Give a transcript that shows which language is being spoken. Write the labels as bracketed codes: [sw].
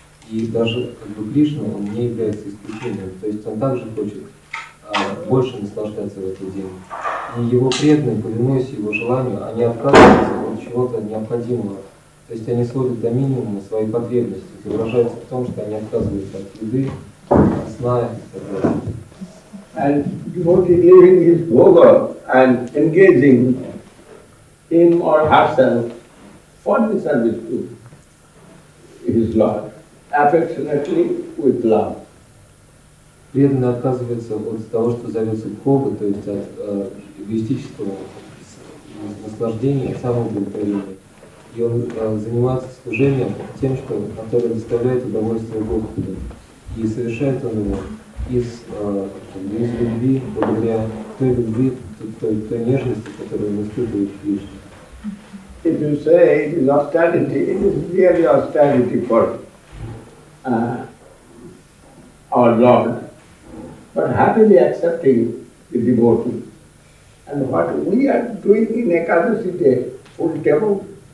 [ru] И даже, как бы, Кришна, он не является исключением. То есть он также хочет больше наслаждаться в этот день. И его преданные, повинуясь его желанию, они отказываются от чего-то необходимого. То есть они сводят до минимума свои потребности. Это выражается в том, что они отказываются от еды, от сна и так далее. [en] And devotee leaving his bhoga and engaging him or herself for the service to his Lord, affectionately with love. [ru] Преданный отказывается от того, что зовется бхога, то есть от эгоистического наслаждения, самоудовлетворения. И он занимается служением тем, что, которое доставляет удовольствие Господу. И совершает он его из любви, благодаря той любви, той нежности, которую он испытывает в Кришне. [en] If you say it is austerity, it is really austerity for our Lord, but happily accepting the devotee. And what we are doing in Ekadasi day, full table,